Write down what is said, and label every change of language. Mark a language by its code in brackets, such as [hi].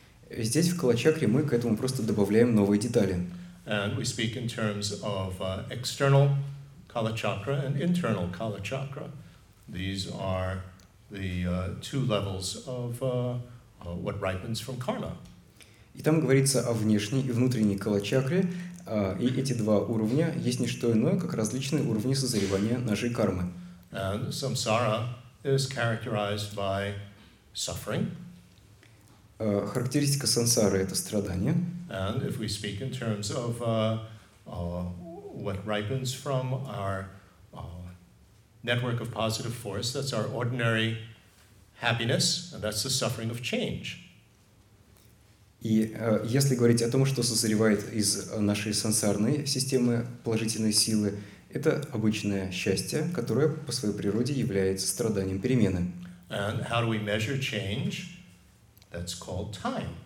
[ru] Здесь, в Kala Chakra, мы к этому просто добавляем новые детали. [en] And we speak in terms of external Kala Chakra and internal Kala Chakra. These are the two levels of what ripens from karma. [ru] И там говорится о внешней и внутренней Kala Chakra, и эти два уровня есть не что иное, как различные уровни созревания нашей кармы. [en] And samsara is characterized by suffering. [ru] Характеристика сансары — это страдание. [en] And if we speak in terms of what ripens from our network of positive force, that's our ordinary happiness, and that's the suffering of change. [ru] И если говорить о том, что созревает из нашей сансарной системы положительной силы, это обычное счастье, которое по своей природе является страданием перемены. [en] And how do we measure change? That's called time.